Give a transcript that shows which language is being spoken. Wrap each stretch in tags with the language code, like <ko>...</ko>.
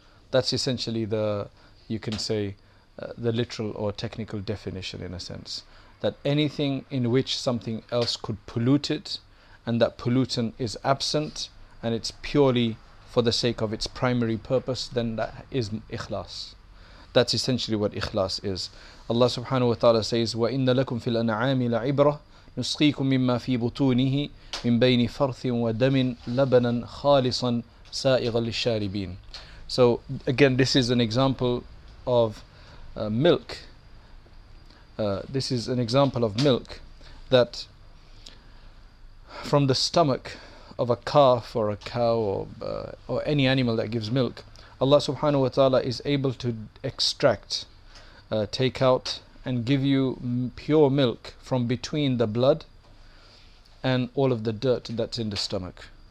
<en>That's essentially the, you can say, the literal or technical definition in a sense. That anything in which something else could pollute it, and that pollutant is absent, and it's purely for the sake of its primary purpose, then that is ikhlas. That's essentially what ikhlas is. Allah subhanahu wa ta'ala says,</en> <ar>وَإِنَّ لَكُمْ فِي الْأَنْعَامِ لَعِبْرَةٍ نُسْقِيكُمْ مِمَّا فِي بُطُونِهِ مِنْ بَيْنِ فَرْثٍ وَدَمٍ لَبَنًا خَالِصًا سَائِغًا لِلشَّارِبِينَ.</ar> <en>So again, this is an example of milk. This is an example of milk that from the stomach of a calf or a cow or any animal that gives milk, Allah subhanahu wa ta'ala is able to extract, take out and give you pure milk from between the blood and all of the dirt that's in the stomach.</en>